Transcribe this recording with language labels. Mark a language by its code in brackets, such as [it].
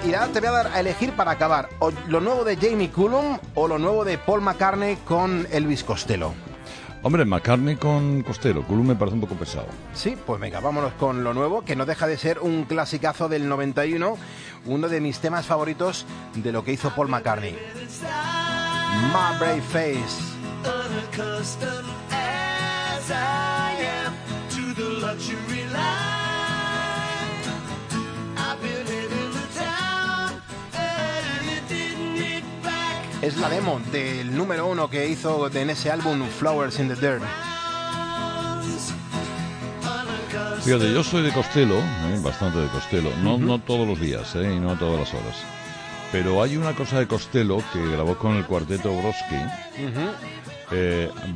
[es] Y ahora te voy a dar a elegir para acabar: o lo nuevo de Jamie Cullum o lo nuevo de Paul McCartney con Elvis Costello. Hombre, McCartney con Costello. Cullum me parece un poco pesado. Sí, pues venga, vámonos con lo nuevo, que no deja de ser un clasicazo del 91. Uno de mis temas favoritos de lo que hizo Paul McCartney. [en] My Brave Face. Unaccustomed as I am to the luxury life. I've been in the town and it didn't need back. [es] Es la demo del número uno que hizo en ese álbum Flowers in the Dirt. Fíjate, yo soy de Costello, bastante de Costello, no, uh-huh. No todos los días, y no todas las horas. Pero hay una cosa de Costello que grabó con el cuarteto Broski, uh-huh.